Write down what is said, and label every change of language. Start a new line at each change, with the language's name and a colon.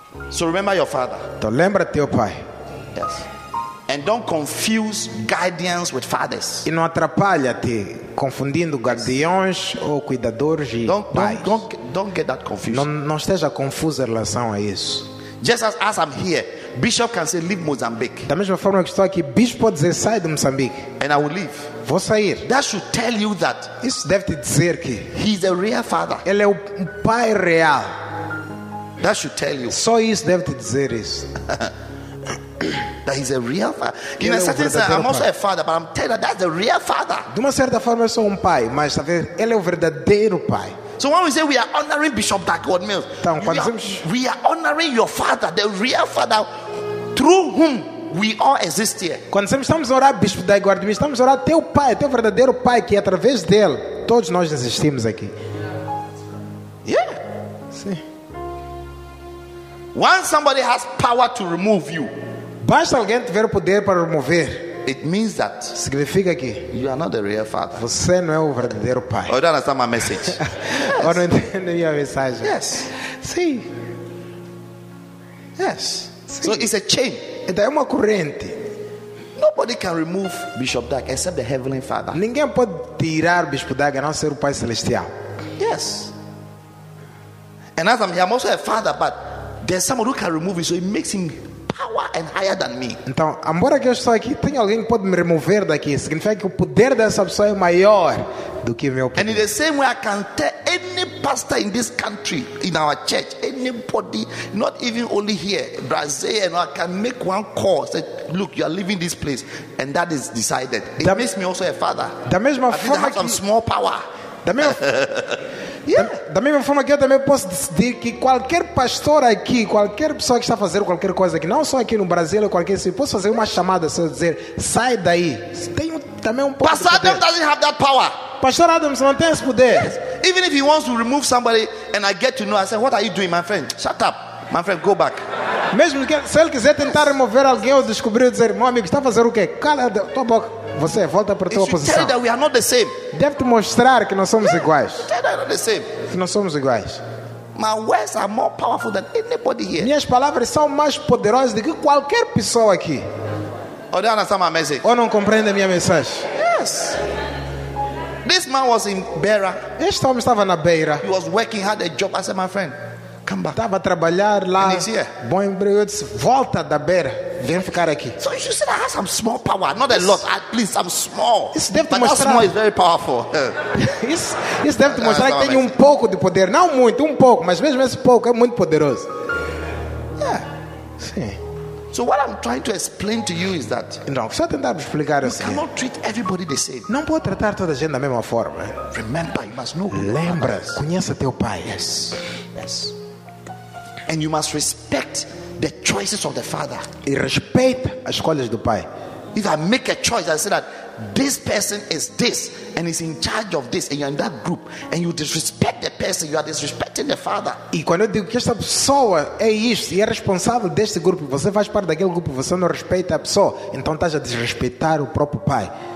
English: So remember your father.
Portuguese: Então lembra teu pai.
English: Yes. And don't confuse guardians with fathers.
Portuguese: E não atrapalha-te confundindo guardiões ou cuidadores e pais.
English: Don't get that confused.
Portuguese: Não esteja confuso em relação a isso.
English: Just as I'm here, bishop can say leave Mozambique.
Portuguese: Da mesma forma que estou aqui, bispo pode dizer sai de Moçambique.
English: And I will leave.
Portuguese: Vou sair.
English: That should tell you that.
Portuguese: Isso deve te dizer que
English: he's a real father.
Portuguese: Ele é o pai real.
English: That should tell you.
Portuguese: Só isso deve te dizer isso.
English: That he's a real father. In
Portuguese: ele
English: a certain sense, I'm also a father, but I'm telling you that that's a real father.
Portuguese: De uma certa forma, eu sou pai, mas a ver, ele é o verdadeiro pai.
English: So when we say we are honoring Bishop Dagwood Mills,
Portuguese: então,
English: we are honoring your father, the real father, through whom we all exist here.
Portuguese: Quando sempre estamos a orar Bispo Dagwood Mills, estamos a orar teu pai, teu verdadeiro pai, que através dele todos nós existimos aqui.
English: Yeah.
Portuguese: Sim.
English: Once somebody has power to remove you,
Portuguese: basta alguém tiver poder para remover.
English: It means that
Portuguese: significa que
English: you are not the real father.
Portuguese: Você não é o verdadeiro pai.
English: Oh, you don't understand my message.
Portuguese: Ou não entende minha mensagem.
English: Yes.
Portuguese: Sim.
English: Yes.
Portuguese: Sim.
English: So it's a chain.
Portuguese: Então é uma corrente.
English: Nobody can remove Bishop Dag except the Heavenly Father.
Portuguese: Ninguém pode tirar Bispo Dag a não ser o Pai Celestial.
English: Yes. And as I'm here, I'm also a father, but there's someone who can remove it, so it makes him power and higher than me.
Portuguese: Então, embora que eu estou aqui, tem alguém que pode me remover daqui. Significa que o poder dessa pessoa é maior do que meu poder.
English: And in the same way, I can tell any pastor in this country, in our church, anybody, not even only here, Brazil, and I can make one call, say, look, you are leaving this place, and that is decided. It makes me also a father.
Portuguese: Da mesma
English: I
Portuguese: forma
English: I have
Portuguese: que
English: some small power.
Portuguese: Da mesma
English: yeah.
Portuguese: Da mesma forma que eu também posso decidir que qualquer pastor aqui, qualquer pessoa que está a fazer qualquer coisa aqui, não só aqui no Brasil, qualquer se posso fazer uma chamada, se eu dizer, sai daí. Tem também um
English: pastor. Pastor doesn't have that power.
Portuguese: Pastor Adams não tem esse poder.
English: Yes. Even if he wants to remove somebody and I get to know, I say, what are you doing, my friend? Shut up, my friend, go back.
Portuguese: Mesmo que se ele quiser tentar remover alguém ou descobrir, dizer, meu amigo, está a fazer o quê? Cala a tua boca. Você volta para a tua posição.
English: Tell that we are not the same.
Portuguese: Deve te mostrar que nós somos iguais.
English: Tell that we are not the same.
Portuguese: Que nós somos iguais.
English: My words are more powerful than anybody here.
Portuguese: Minhas palavras são mais poderosas do que qualquer pessoa aqui.
English: Or they understand my message.
Portuguese: Ou não compreendem minha mensagem?
English: Yes. This man was in Beira.
Portuguese: Este homem estava na Beira.
English: He was working, had a job. I said, my friend, come back.
Portuguese: Estava a trabalhar lá.
English: And he's here.
Portuguese: Bom emprego, disse, volta da Beira. Vem ficar aqui.
English: So you should say that I have some small power, not a lot. At least I'm small.
Portuguese: Isso deve
English: but
Portuguese: mostrar...
English: small is very powerful.
Portuguese: isso deve te mostrar que tem um pouco de poder. Não muito, um pouco, mas mesmo esse pouco é muito poderoso.
English: Yeah.
Portuguese: Sim.
English: So what I'm trying to explain to you is that
Portuguese: não, só tentar explicar assim,
English: you cannot treat everybody the same.
Portuguese: Não pode tratar toda a gente da mesma forma.
English: Remember, you must know.
Portuguese: Lembra, conheça teu pai.
English: Yes. Yes. And you must respect the choices of the father.
Portuguese: E respeita as escolhas do pai.
English: If I make a choice, I say that this person is this and is in charge of this and you're in that group and you disrespect the person, you are disrespecting the father.
Portuguese: E quando eu digo que esta pessoa é isso e é responsável deste grupo, você faz parte daquele grupo, você não respeita a pessoa, então estás a desrespeitar o próprio pai.